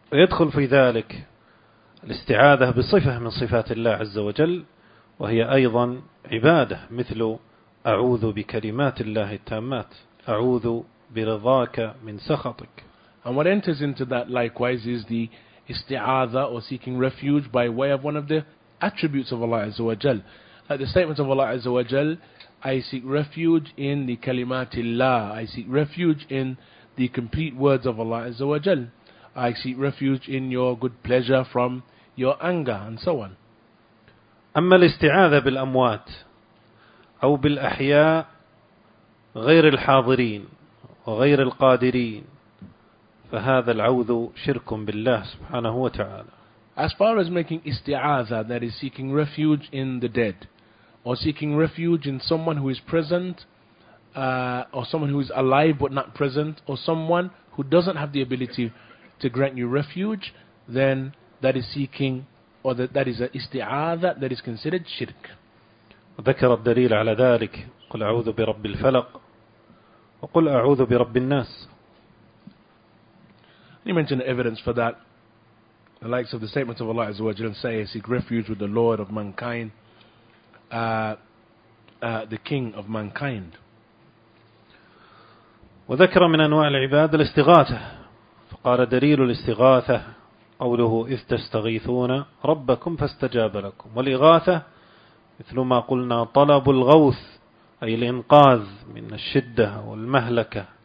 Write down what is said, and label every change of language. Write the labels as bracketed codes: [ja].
[ar] ويدخل في ذلك الاستعاذة بصفة من صفات الله عز وجل وهي أيضا عبادة مثل أعوذ بكلمات الله التامات أعوذ برضاك من سخطك. [en] And what enters into that likewise is the isti'adha or seeking refuge by way of one of the attributes of Allah Azza wa Jal. Like the statement of Allah Azza wa Jal, I seek refuge in the kalimatillah, I seek refuge in the complete words of Allah Azza wa Jal, I seek refuge in your good pleasure from your anger, and so on. [ar] أما الاستعاذة بالأموات أو بالأحياء غير الحاضرين وغير القادرين فهذا العوذ شرك بالله سبحانه وتعالى. [en] As far as making isti'adha, that is seeking refuge in the dead, or seeking refuge in someone who is present, or someone who is alive but not present, or someone who doesn't have the ability to grant you refuge, then that is seeking, or that is a isti'adha that is considered shirk. [ar] ذكر الدليل على ذلك قل أعوذ برب الفلق وقل أعوذ برب الناس. [en] He mentioned evidence for that, the likes of the statement of Allah Azza wa Jalla, say, I seek refuge with the Lord of mankind, the King of mankind. [ar] وذكر من أنواع العباد الاستغاثة. فقال دليل الاستغاثة قوله إذ تستغيثون ربكم فاستجاب لكم. والإغاثة مثل ما قلنا طلب الغوث أي الإنقاذ من الشدة والمهلكة.